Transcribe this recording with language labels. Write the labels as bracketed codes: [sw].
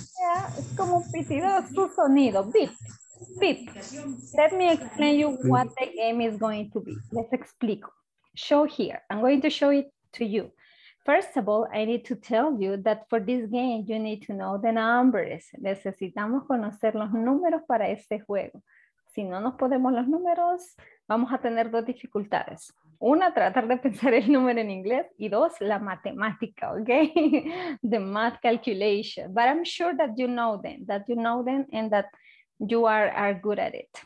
[en] Yeah, it's [es] como un pitido, su sonido, pip. [en] Pip, let me explain you what the game is going to be. Let's explico. Show here. I'm going to show it to you. First of all, I need to tell you that for this game, you need to know the numbers. [es] Necesitamos conocer los números para este juego. Si no nos podemos los números, vamos a tener dos dificultades. Una, tratar de pensar el número en inglés. Y dos, la matemática, okay? [en] The math calculation. But I'm sure that you know them, and that you are good at it.